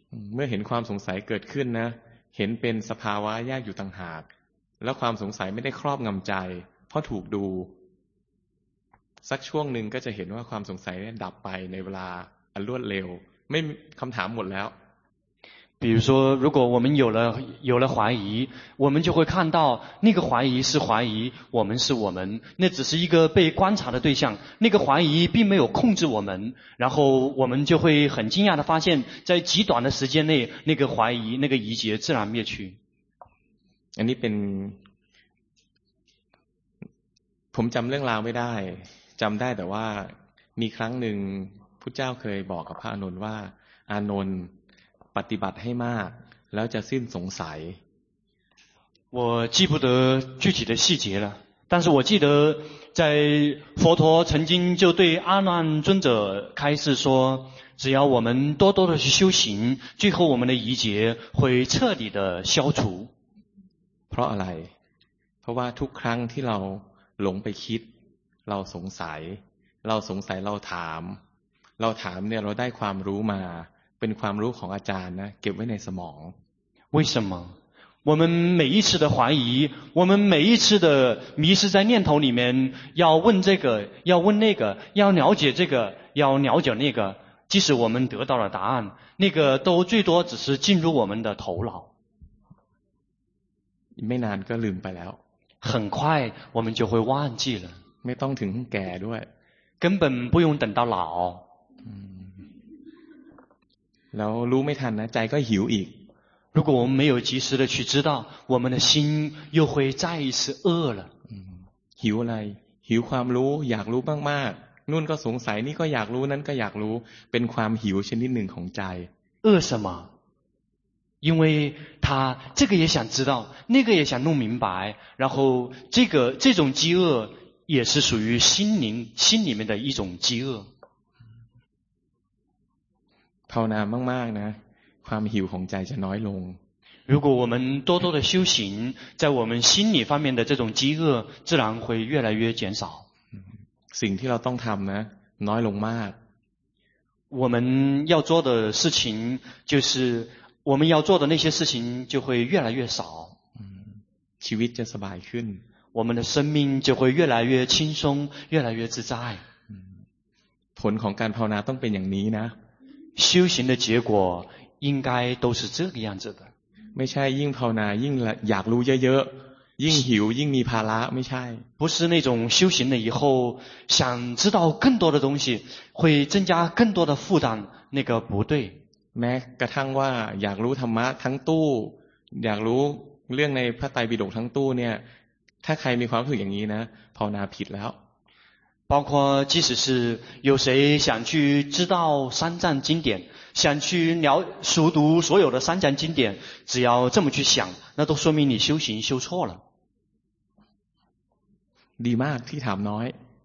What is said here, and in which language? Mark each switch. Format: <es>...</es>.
<zh>没有</zh> <th>ความสงสัยเกิดขึ้นนะเห็นเป็นสภาวะแยกอยู่ต่างหากแล้วความสงสัยไม่ได้ครอบงำใจเพราะถูกดูสักช่วงหนึ่งก็จะเห็นว่าความสงสัยได้ดับไปในเวลาอันรวดเร็วไม่คำถามหมดแล้ว</th> <zh>比如说如果我们有了怀疑我们就会看到那个怀疑是怀疑我们是我们那只是一个被观察的对象那个怀疑并没有控制我们然后我们就会很惊讶的发现在极短的时间内那个怀疑那个疑结自然灭去</zh> <th>อันนี้เป็นผมจำเรื่องราวไม่ได้จำได้แต่ว่ามีครั้งหนึ่งพุทธเจ้าเคยบอกกับพระอานนท์ว่าอานนท์ปฏิบัติให้มากแล้วจะสิ้นสงสัย</th> <zh>我记不得具体的细节了但是我记得在佛陀曾经就对阿难尊者开示说只要我们多多的去修行最后我们的疑结会彻底的消除</zh> <th>เพราะอะไรเพราะว่าทุกครั้งที่เราหลงไปคิดเราสงสัยเราสงสัยเราถามเนี่ยเราได้ความรู้มาเป็นความรู้ของอาจารย์นะเก็บไว้ในสมอง</th> <zh>为什么我们每一次的怀疑我们每一次的迷失在念头里面要问这个要问那个要了解这个要了解那个即使我们得到了答案那个都最多只是进入我们的头脑</zh> <th>ไม่นานก็ลืมไปแล้ว</th> <zh>很快我们就会忘记了</zh> <th>ไม่ต้องถึงแก่ด้วย</th> <zh>根本不用等到老</zh> <th>แล้วรู้ไม่ทันนะใจก็หิวอีก</th> <zh>如果我们没有及时的去知道我们的心又会再一次饿了</zh> <th>หิวอะไรหิวความรู้อยากรู้มากๆนู่นก็สงสัยนี่ก็อยากรู้นั้นก็อยากรู้เป็นความหิวชนิดหนึ่งของใจ</th> <zh>饿什么因为他这个也想知道那个也想弄明白然后这种饥饿也是属于心里面的一种饥饿</zh> <th>ภาวนามากๆนะความหิวของใจจะน้อยลง</th> <zh>如果我们多多的修行在我们心理方面的这种饥饿自然会越来越减少</zh> <th>สิ่งที่เราต้องทำนะน้อยลงมาก</th> <zh>我们要做的事情就是我们要做的那些事情就会越来越少</zh> <th>ชีวิตจะสบายขึ้น</th> <zh>我们的生命就会越来越轻松越来越自在</zh> <th>ผลของการภาวนาต้องเป็นอย่างนี้นะ</th> <zh>修行的结果应该都是这个样子的</zh> <th>ไม่ใช่ยิ่งภาวนายิ่งอยากรู้เยอะๆยิ่งหิวยิ่งมีภาระไม่ใช่</th> <zh>不是那种修行了以后想知道更多的东西会增加更多的负担那个不对</zh> <th>แม้กระทั่งว่าอยากรู้ธรรมะทั้งตู้อยากรู้เรื่องในพระไตรปิฎกทั้งตู้เนี่ยถ้าใครมีความรู้สึกอย่างนี้นะภาวนาผิดแล้ว</th> <zh>包括即使是有谁想去知道三藏经典，想去了熟读所有的三藏经典，只要这么去想，那都说明你修行修错了。</zh> <th>ดีมากที่ถามน้อย，</th>